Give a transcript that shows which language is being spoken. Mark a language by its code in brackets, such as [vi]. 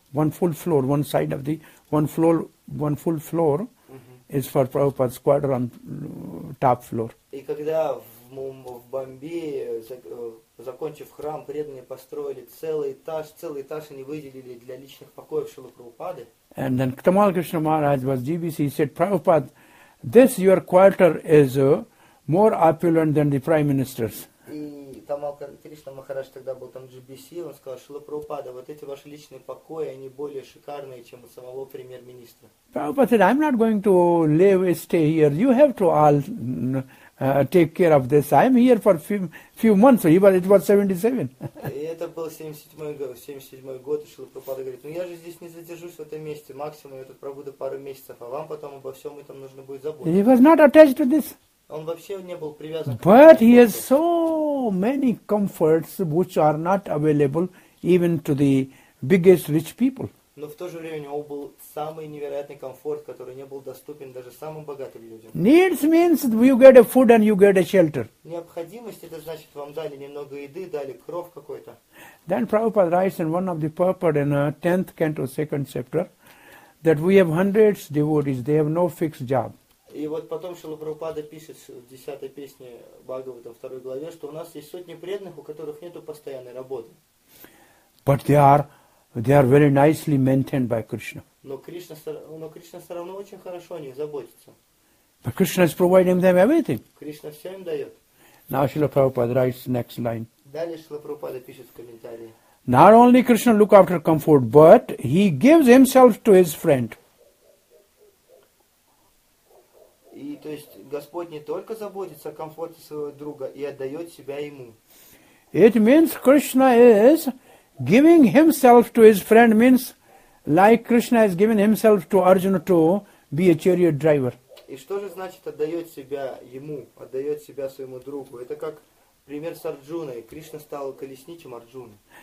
[en] One full floor, one side of the one full floor mm-hmm. is for Prabhupada's quarter on top floor. [ru] И когда в Бомбее, закончив храм, преданные построили целый этаж они выделили для личных покоев Шрилы Прабхупады. [en] And then Kamal Krishna Maharaj was GBC, he said, Prabhupada, this your quarter is more opulent than the prime minister's. [ru] И Kamal Krishna Maharaj тогда был там GBC, он сказал, Шрила Прабхупада, вот эти ваши личные покои, они более шикарные, чем у самого премьер-министра. [en] Prabhupada said, I'm not going to stay here, you have to all take care of this. I'm here for few months. It was 77. [ru] Это был 77 год. Шрила Прабхупада говорит, ну я же здесь не задержусь в этом месте. Максимум я тут пробуду пару месяцев, а вам потом обо всем этом нужно будет заботиться. [en] He was not attached to this. [ru] Он вообще не был привязан. [en] But he has so many comforts which are not available even to the biggest rich people. [ru] Но в то же время у него был самый невероятный комфорт, который не был доступен даже самым богатым людям. [en] Needs means you get a food and you get a shelter. [ru] Необходимость это значит вам дали немного еды, дали кров какой-то. [en] Then Prabhupada writes in one of the purport in 10th canto, 2nd chapter, that we have hundreds of devotees, they have no fixed job. [ru] И вот потом Шрила Прабхупада пишет в 10-й песне Бхагавата, 2-й главе, что у нас есть сотни преданных, у которых нету постоянной работы. [en] But they are very nicely maintained by Krishna. [ru] Но Кришна все равно очень хорошо о них заботится. [en] But Krishna is providing them everything. [ru] Кришна все им дает. [en] Now Srila Prabhupada writes next line. [ru] Далее Шрила Прабхупада пишет в комментарии. [en] Not only Krishna look after comfort, but he gives himself to his friend. [ru] И то есть Господь не только заботится о комфорте своего друга и отдает себя ему. [en] It means Krishna is giving himself to his friend means like Krishna has given himself to Arjuna to be a chariot driver. [ru] И что же значит отдает себя ему, отдает себя своему другу? Это как пример с Арджуной. Кришна стал колесничем Арджуны.